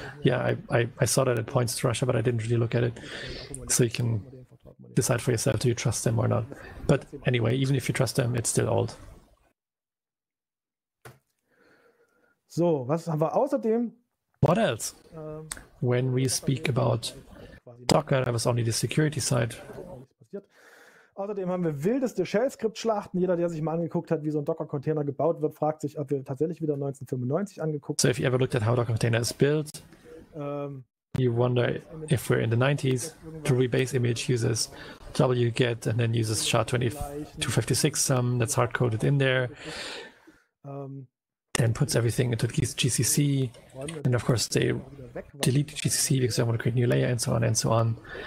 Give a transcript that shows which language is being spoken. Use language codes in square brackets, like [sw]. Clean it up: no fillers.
[en] Yeah, I saw that it points to Russia, but I didn't really look at it. So you can decide for yourself, do you trust them or not? But anyway, even if you trust them, it's still old. [de] So, was haben wir außerdem? [en] What else? When we speak about Docker, that was only the security side. [de] Außerdem haben wir wildeste Shell-Skript-Schlachten. Jeder, der sich mal angeguckt hat, wie so ein Docker-Container gebaut wird, fragt sich, ob wir tatsächlich wieder 1995 angeguckt haben. [en] So, if you ever looked at how Docker-Container is built, you wonder if we're in the 90s, the rebase image uses wget and then uses SHA-256 some that's hard-coded in there, then puts everything into GCC, and of course they delete GCC because they want to create a new layer and so on and so on.